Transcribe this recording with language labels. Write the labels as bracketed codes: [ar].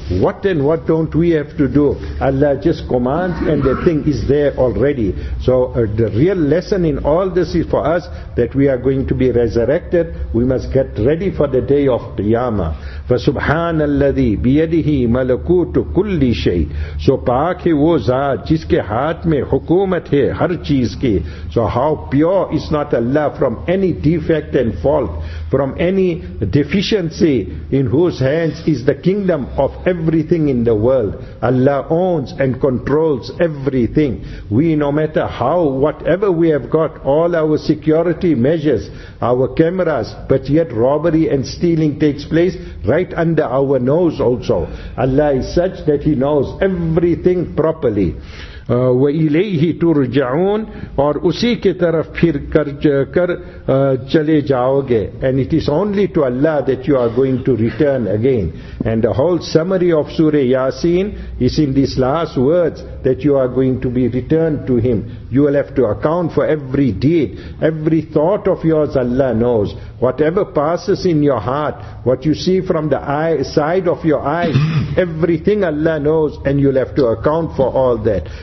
[en] What and what don't we have to do? Allah just commands and the thing is there already. So the real lesson in all this is for us that we are going to be resurrected. We must get ready for the day of Qiyamah. [ar] فَسُبْحَانَ الَّذِي بِيَدِهِ مَلَكُوتُ كُلِّ شَيْءٍ. [ur] So پاک ہے وہ ذات جس کے ہاتھ میں حکومت ہے ہر چیز کی. [en] So how pure is not Allah from any defect and fault. from any deficiency, in whose hands is the kingdom of everything in the world. Allah owns and controls everything. We, no matter how, whatever we have got, all our security measures, our cameras, but yet robbery and stealing takes place right under our nose also. Allah is such that He knows everything properly. [ar] وَإِلَيْهِ تُرْجَعُونَ [ur] اور اسی کے طرف پھر کر چلے جاؤ گے. [en] And it is only to Allah that you are going to return again. And the whole summary of Surah Yasin is in these last words, that you are going to be returned to Him. You will have to account for every deed, every thought of yours Allah knows. Whatever passes in your heart, what you see from the eye, side of your eye, everything Allah knows, and you'll have to account for all that.